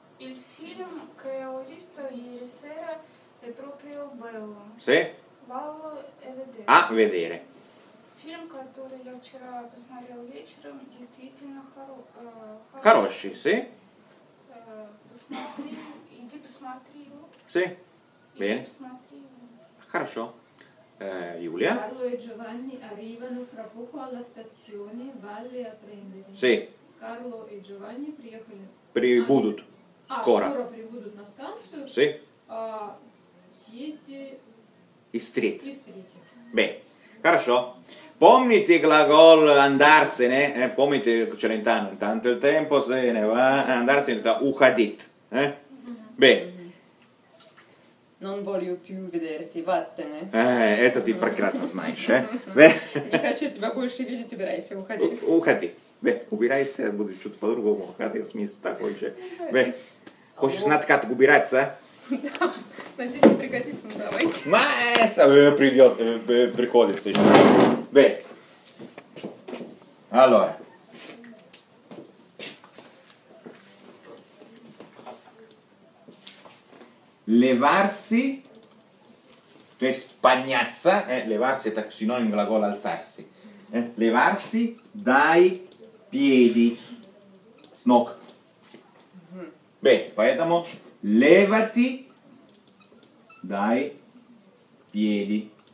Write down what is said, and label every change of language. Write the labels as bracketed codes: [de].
[it] Il film che ho visto ieri sera è proprio bello. Си. Bello è vedere. А, vedere. [ru] Film, который я вчера посмотрел вечером, действительно хороший. Хороший, си. Посмотри, иди посмотри его. Си. Бе. Хорошо. Giulia. [it] Carlo e Giovanni arrivano fra poco alla stazione, valle a prendere. Sì. [ru] Carlo e Giovanni приехали. Прибудут скоро. Скоро прибудут на станцию. [it] Sì. [ru] Съезди. Истрит. Beh, хорошо. Помните глагол «andarsene»? Помните Челентано? [it] Tanto il tempo se ne va. Andarsene da [ru] «уходит». [it] Beh. Non voglio più vederti, vattene. [ru] Это ты прекрасно знаешь, Не хочу тебя больше видеть, убирайся, уходи. Уходи. Beh, убирайся, будет чуть по-другому. Уходи, смысл такой же. Beh. Хочешь знать, как убираться? Да, надеюсь, не пригодится, ну давайте. Маэса, приходится еще. Beh. Allora. Levarsi, то есть подняться, levarsi это синонимо глагола alzarsi, [it] levarsi dai piedi, [ru] с ног. [it] Beh, [ru] поэтому [it] levati dai piedi.